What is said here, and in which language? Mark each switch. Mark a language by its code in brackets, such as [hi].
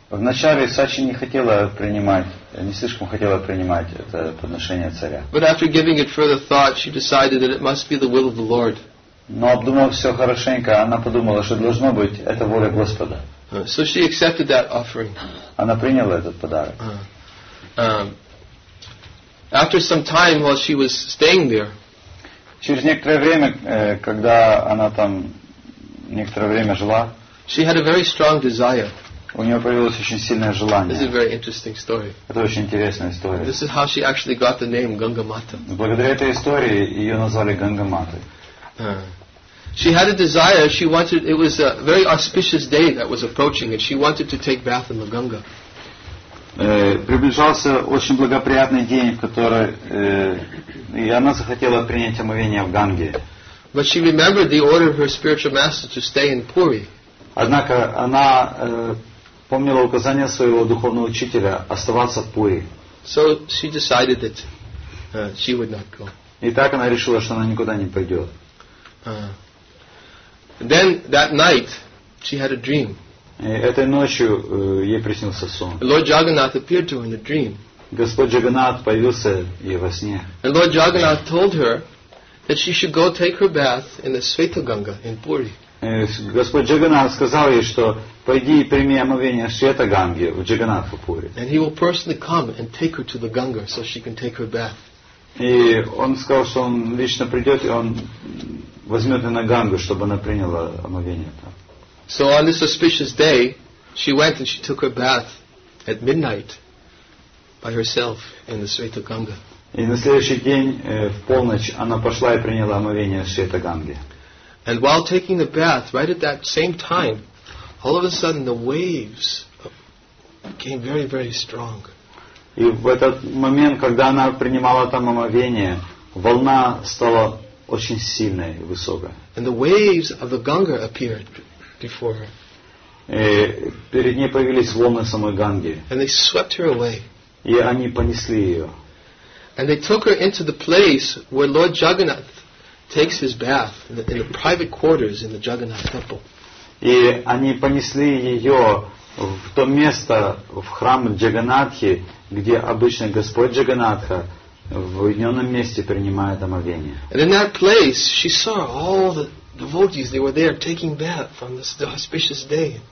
[ru] Вначале Сачи не хотела принимать, не слишком хотела принимать это подношение царя. [en] But after giving it further thought, she decided that it must be the will of the Lord. [ru] Но обдумав все хорошенько, она подумала, что должно быть это воля Господа. [en] So she accepted that offering. [ru] Она приняла этот подарок. [en] After some time, while she was staying there, [ru] через некоторое время, когда она там некоторое время жила, [en] she had a very strong desire. [ru] У нее появилось очень сильное желание. [en] This is a very interesting story. [ru] Это очень интересная история. [en] This is how she actually got the name Ganga Mata. [ru] Благодаря этой истории ее назвали Ганга Матой. [en] She had a desire. She wanted. It was a very auspicious day that was approaching, and she wanted to take bath in the Ganga. [ru] Приближался очень благоприятный день, в который и она захотела принять омовение в Ганге. [en] But she remembered the order of her spiritual master to stay in Puri. [ru] Однако она помнила указание своего духовного учителя оставаться в Пури. [en] So she decided that she would not go. [ru] И так она решила, что она никуда не пойдет. [en] Then that night she had a dream. [ru] Этой ночью ей приснился сон. [en] Lord Jagannath appeared to her in a dream. [ru] Господь Джагнат появился ей во сне. [en] And Lord Jagannath told her that she should go take her bath in the Sveta Ganga in Puri. [ru] Господь Джагнат сказал ей, что пойди и прими омовение в Света Ганге в Джагнатху Пури. [en] And he will personally come and take her to the Ganga so she can take her bath. [ru] И он сказал, что он лично придет и он возьмет ее на Гангу, чтобы она приняла омовение там. [en] So on this auspicious day, she went and she took her bath at midnight by herself in the Sveta Ganga. [ru] И на следующий день в полночь она пошла и приняла омовение в Света Ганге. [en] And while taking the bath, right at that same time, all of a sudden the waves became very, very strong. [ru] И в этот момент, когда она принимала там омовение, волна стала очень сильной и высокой. [en] And the waves of the Ganga appeared before her. [ru] И перед ней появились волны самой Ганги. [en] And they swept her away. [ru] И они понесли ее. [en] And they took her into the place where Lord Jagannath takes his bath in the private quarters in the Jagannath temple. [ru] И они понесли ее в то место в храм Джаганнатхи, где обычно Господь Джаганнатха в уединенном месте принимает омовение. [en] And in that place she saw all the devotees, they were there taking bath on this auspicious day.